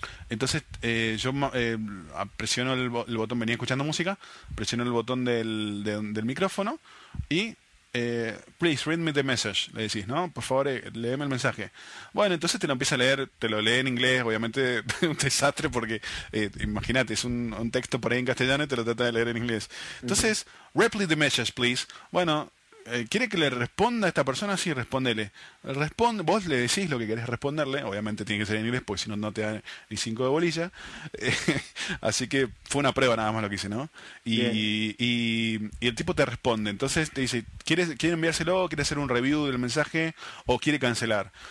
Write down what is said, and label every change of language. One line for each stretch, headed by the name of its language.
Spanish: Entonces yo presiono el botón, venía escuchando música, presiono el botón del micrófono y
English: please read me the message,
Spanish: le decís, ¿no? Por favor, léeme el mensaje. Bueno, entonces te lo empieza a leer, te lo lee en inglés, obviamente un desastre porque imagínate, es un texto por ahí en castellano y te lo trata de leer en inglés.
English: Entonces, reply the message, please.
Spanish: Bueno, ¿quiere que le responda a esta persona? Sí, respondele. Vos le decís lo que querés responderle. Obviamente tiene que ser en inglés, porque si no, no te da ni 5 de bolilla. Así que fue una prueba nada más lo que hice, ¿no? Bien. Y el tipo te responde. Entonces te dice, ¿quiere enviárselo? ¿Quiere hacer un review del mensaje? ¿O quiere cancelar?